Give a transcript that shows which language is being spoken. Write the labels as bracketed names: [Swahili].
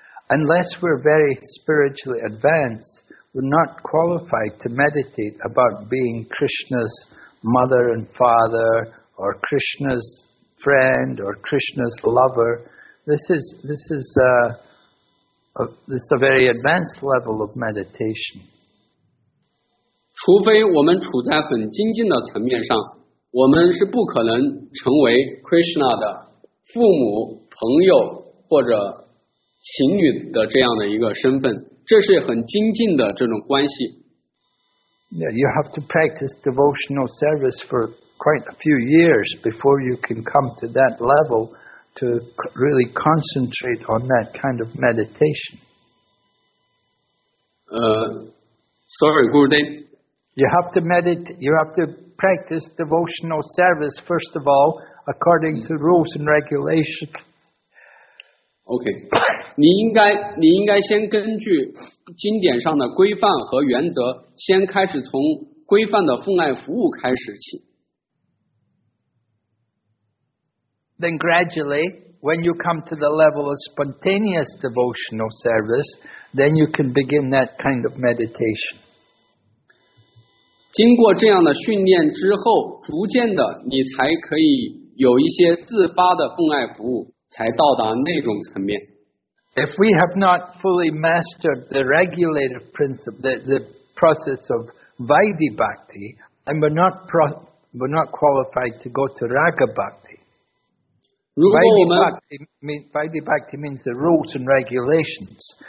[English] Unless we're very spiritually advanced, we're not qualified to meditate about being Krishna's mother and father, or Krishna's friend, or Krishna's lover. This is a very advanced level of meditation. [Chinese] 除非我们处在很精进的层面上，我们是不可能成为 Krishna 的父母、朋友或者情侣的这样的一个身份。这是很精进的这种关系。 [English] Yeah, you have to practice devotional service for quite a few years before you can come to that level to really concentrate on that kind of meditation. Sorry, Guru Dev. You have to practice devotional service first of all according to rules and regulations. Okay. [Chinese] 你应该先根据经典上的规范和原则，先开始从规范的奉爱服务开始起。 [English] Then gradually, when you come to the level of spontaneous devotional service, then you can begin that kind of meditation. [Chinese] 经过这样的训练之后，逐渐的你才可以有一些自发的奉爱服务，才到达那种层面。 [English] If we have not fully mastered the regulative principle, the process of Vaidhi Bhakti, and we're not qualified to go to Raga Bhakti. Vaidhi Bhakti means the rules and regulations.